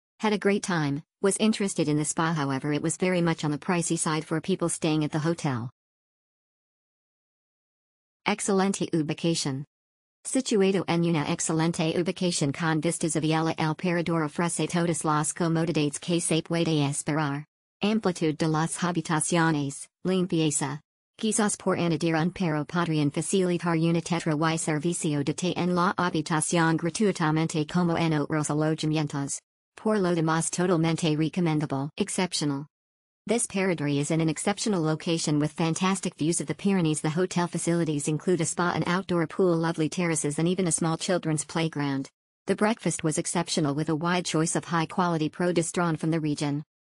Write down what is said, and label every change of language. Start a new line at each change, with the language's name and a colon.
English: Had a great time, was interested in the spa, however it was very much on the pricey side for people staying at the hotel.
Spanish: Excelente ubicación. Situado en una excelente ubicación con vistas a Vielha, el Parador ofrece todas las comodidades que se puede esperar. Amplitud de las habitaciones, limpieza. Quizás por añadir un perro podrían facilitar una tetra y servicio de té en la habitación gratuitamente como en otros alojamientos. Por lo demás totalmente recomendable, exceptional.
English: This Parador is in an exceptional location with fantastic views of the Pyrenees. The hotel facilities include a spa, an outdoor pool, lovely terraces and even a small children's playground. The breakfast was exceptional with a wide choice of high-quality produce drawn from the region.